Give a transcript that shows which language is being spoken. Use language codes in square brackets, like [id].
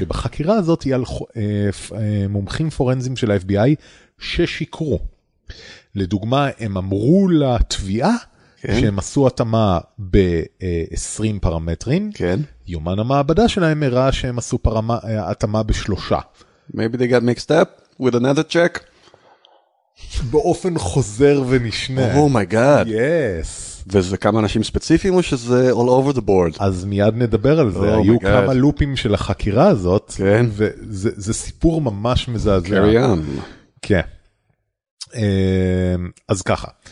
[he] שבחקירה הזאת היא על מומחים פורנזיים של ה-FBI, ששיקרו. לדוגמה, הם אמרו לתביעה, [en] okay. [he] שהם עשו התאמה ב-20 פרמטרים, [en] okay. [he] יומן המעבדה שלהם הראה שהם עשו התאמה בשלושה. [en] Maybe they got mixed up with another check. [he] באופן חוזר ונשנה. [en] Oh my god. Yes. [he] וזה כמה אנשים ספציפיים או שזה [en] all over the board? [he] אז מיד נדבר על זה. Oh היו כמה לופים של החקירה הזאת. כן. וזה סיפור ממש מזעזע. [en] Carry on. [he] כן. אז ככה.